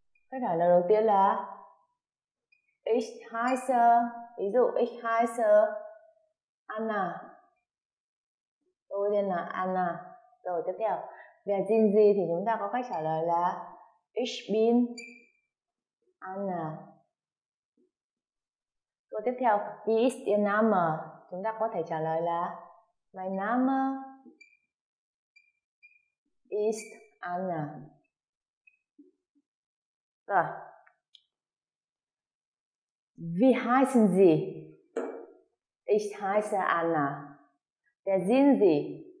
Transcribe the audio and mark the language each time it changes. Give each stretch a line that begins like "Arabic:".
Vietnamese: Cách trả lời đầu tiên là Ich heiße, ví dụ
German: Ich heiße Anna.
Vietnamese: Tôi tên là Anna. Rồi tiếp theo, về Jin Ji thì chúng ta có cách trả lời là
German: Ich bin Anna.
Vietnamese: Rồi tiếp theo,
German: Wie ist Ihr Name?
Vietnamese: Chúng ta có thể trả lời là
German: Mein Name ist Anna. Rồi, Wie heißen Sie? Ich heiße Anna. Wer sind Sie?